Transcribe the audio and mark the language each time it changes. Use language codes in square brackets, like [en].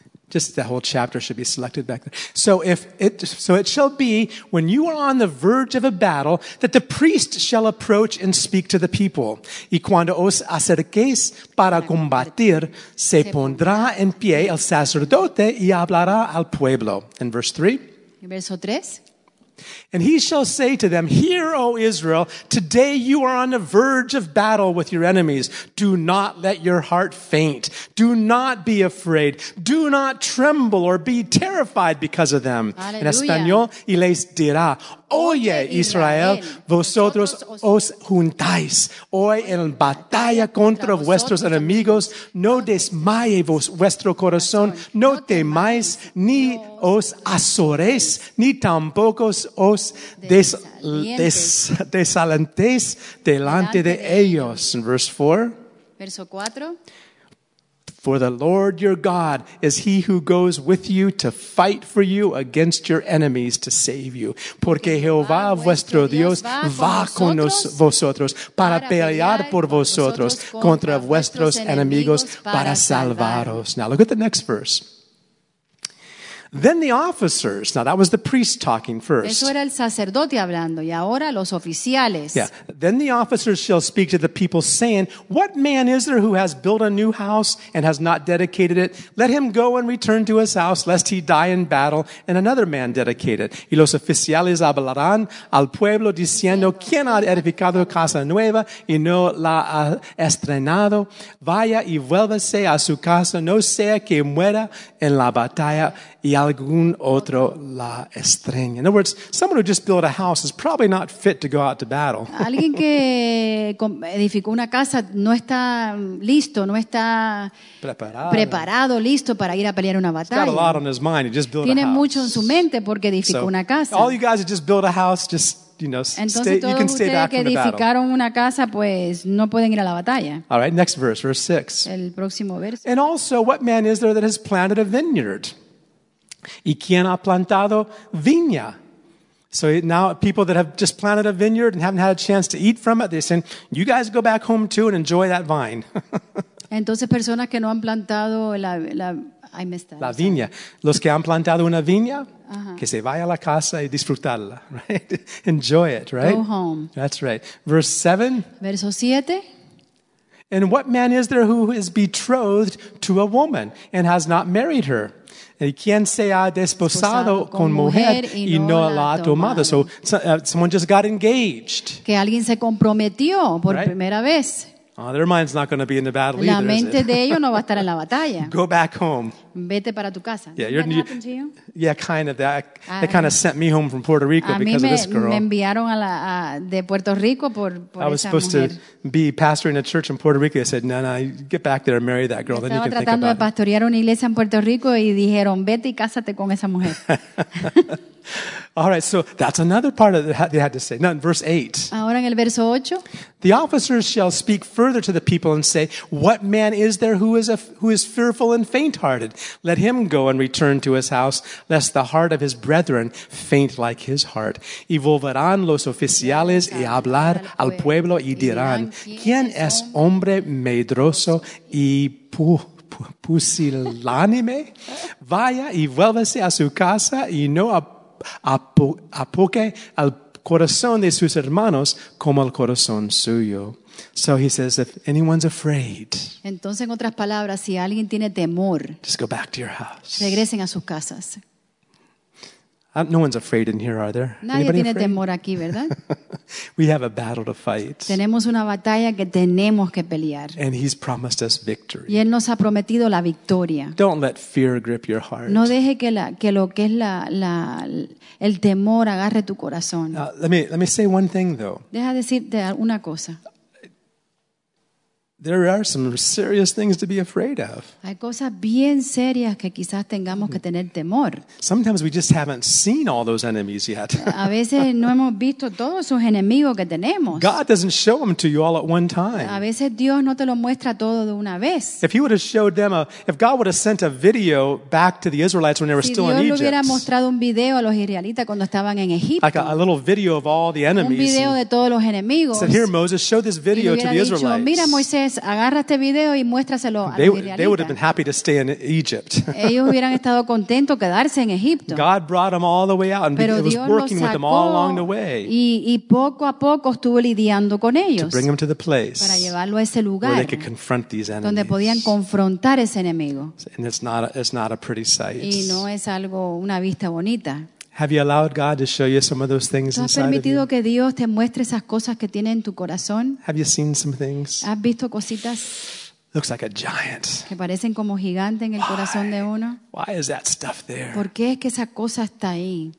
[en] Just the whole chapter should be selected back there. So it shall be when you are on the verge of a battle that the priest shall approach and speak to the people. [es] Y cuando os acerquéis para combatir, se pondrá en pie el sacerdote y hablará al pueblo. [en] In verse 3. [es] Verso 3. [en] And he shall say to them, hear, O Israel, today you are on the verge of battle with your enemies. Do not let your heart faint. Do not be afraid. Do not tremble or be terrified because of them. [es] Aleluya. En español, y les dirá, oye, Israel, vosotros os juntáis hoy en batalla contra vuestros enemigos. No desmaye vuestro corazón. No temáis, ni os azoréis, ni tampoco os desalentéis delante de ellos. [en] In verse 4. [es] Verso 4. [en] For the Lord your God is he who goes with you to fight for you against your enemies to save you. [es] Porque Jehová vuestro Dios va con vosotros para pelear por vosotros contra vuestros enemigos para salvaros. [en] Now look at the next verse. Then the officers, now that was the priest talking first. [es] Eso era el sacerdote hablando, y ahora los oficiales. [en] Yeah. Then the officers shall speak to the people saying, what man is there who has built a new house and has not dedicated it? Let him go and return to his house, lest he die in battle and another man dedicate it. [es] Y los oficiales hablarán al pueblo diciendo, ¿quién ha edificado casa nueva y no la ha estrenado? Vaya y vuélvase a su casa, no sea que muera en la batalla. Y algún otro la estreña. [en] In other words, someone who just built a house is probably not fit to go out to battle. [es] Alguien que edificó una casa no está listo, no está preparado, listo para ir a pelear una batalla. [en] He's got a lot on his mind. He just built [es] Tiene [en] a house. [es] Mucho en su mente porque edificó [en] so, [es] una casa. [en] All you guys who just built a house, just you know, stay, you can stay back from the battle. [es] Entonces todos ustedes que una casa, pues no pueden ir a la batalla. [en] All right, next verse, verse 6. [es] El próximo verso. [en] And also, what man is there that has planted a vineyard? [es] ¿Y quién ha plantado viña? [en] So now people that have just planted a vineyard and haven't had a chance to eat from it, they're saying, you guys go back home too and enjoy that vine. [es] Entonces personas que no han plantado la viña. Los que han plantado una viña, que se vaya a la casa y disfrutarla, right? [en] Enjoy it, right? Go home. That's right. Verse 7. [es] Verso 7. [en] And what man is there who is betrothed to a woman and has not married her? [es] ¿Quién se ha desposado con mujer y no la ha tomado? [en] So someone just got engaged. [es] Que alguien se comprometió por primera vez. [en] Oh, their mind's not going to be in the battle either, is it? [es] La mente de ellos no va a estar en la batalla. [en] Go back home. [es] Vete para tu casa. [en] Yeah, you're new. Yeah, kind of that. They kind of sent me home from Puerto Rico because of this girl. [es] A mí me enviaron de Puerto Rico por esa [en] mujer. I was supposed to be pastoring a church in Puerto Rico. They said, no, get back there and marry that girl. Then you can think about it. [es] Estaba tratando de pastorear una iglesia en Puerto Rico y dijeron, vete y cásate con esa mujer. [en] All right, so that's another part of what they had to say. Now in verse 8. [es] Ahora en el verso 8. [en] The officers shall speak further to the people and say, what man is there who is fearful and faint-hearted? Let him go and return to his house, lest the heart of his brethren faint like his heart. [es] Y volverán los oficiales y hablar al pueblo y dirán, ¿quién es hombre medroso y pusilánime? Vaya y vuélvese a su casa y no apoque al corazón de sus hermanos como el corazón suyo. [en] So he says, if anyone's afraid, [es] entonces, en otras palabras, si alguien tiene temor, [en] just go back to your house. [es] Regresen a sus casas. [en] No one's afraid in here, are there? [es] Nadie tiene temor aquí, ¿verdad? [en] We have a battle to fight. [es] Tenemos una batalla que tenemos que pelear. [en] And he's promised us victory. [es] Y él nos ha prometido la victoria. [en] Don't let fear grip your heart. [es] No deje que el temor agarre tu corazón. [en] Let me say one thing though. [es] Deja decirte una cosa. [en] There are some serious things to be afraid of. [es] Hay cosas bien serias que quizás tengamos que tener temor. [en] Sometimes we just haven't seen all those enemies yet. [es] A veces no hemos visto todos esos enemigos que tenemos. [en] God doesn't show them to you all at one time. [es] A veces Dios no te lo muestra todo de una vez. [en] If he would have showed them if God would have sent a video back to the Israelites when they were still in Egypt. [es] Si Dios hubiera mostrado un video a los israelitas cuando estaban en Egipto. [en] Like a little video of all the enemies. [es] Un video de todos los enemigos. [en] Said, here, Moses, show this video to the Israelites. [es] Mira, Moisés, agarra este video y muéstraselo a [en] they would have been happy to stay in Egypt. [es] Ellos hubieran estado contentos quedarse en Egipto. [en] God brought them all the way out, and [es] pero [en] it was working with them all along the way. [es] Y poco a poco estuvo lidiando con ellos. [en] To bring them to the place [es] para llevarlo a ese lugar [en] where they could confront these enemies. [es] Donde podían confrontar ese enemigo. [en] And it's not a pretty sight. [es] Y no es algo una vista bonita. [en] Have you allowed God to show you some of those things inside of you? [es] ¿Has permitido que Dios te muestre esas cosas que tiene en tu corazón? [en] Have you seen some things? [es] ¿Has visto cositas? [en] Looks like a giant. [es] Que parecen como gigante en el corazón de uno. [en] Why is that stuff there? [es] ¿Por qué es que esa cosa está ahí?